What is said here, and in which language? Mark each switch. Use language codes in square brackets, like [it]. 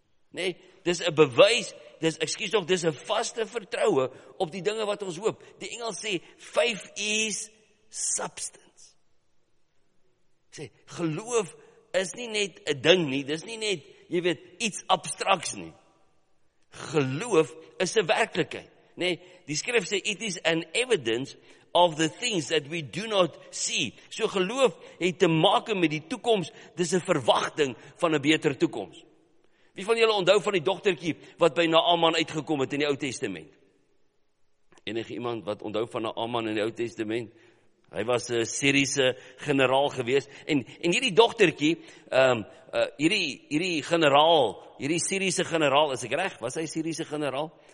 [af] Nee, dis 'n bewys, dis 'n vaste vertroue op die dinge wat ons hoop. Die Engels sê, [en] faith is substance. [af] Sê, geloof is nie net 'n ding nie, dis nie net, jy weet, iets abstraks nie. Geloof is 'n werklikheid. Nee, die skrif sê, [en] it is an evidence of the things that we do not see. [af] So geloof het te maak met die toekoms, dis 'n verwagting van 'n beter toekoms. Wie van julle onthou van die dogtertjie wat by Naaman uitgekom het in die Ou Testament? Enige iemand wat onthou van Naaman in die Ou Testament? Hy was 'n Siriëse generaal gewees, en hierdie dogtertjie, hierdie Siriëse generaal, is ek reg, was hy Siriëse generaal?